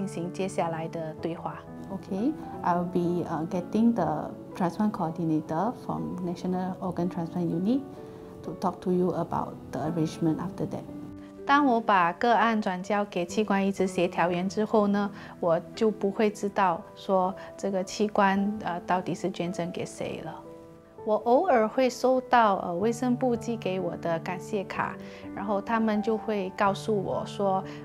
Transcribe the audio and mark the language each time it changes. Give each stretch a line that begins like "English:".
Chinese: 在这种情况下，一般医疗团队我还有社工，我们就会给予家属多一些的时间和空间，消化和了解这个病人的情况，让他们情绪冷静下来，我们才进行接下来的对话。
English: Okay, I'll be getting the transplant coordinator from National Organ Transplant Unit to talk to you about the arrangement after that.
Chinese: 当我把个案转交给器官移植协调员之后呢，我就不会知道说这个器官到底是捐赠给谁了。我偶尔会收到卫生部寄给我的感谢卡，然后他们就会告诉我说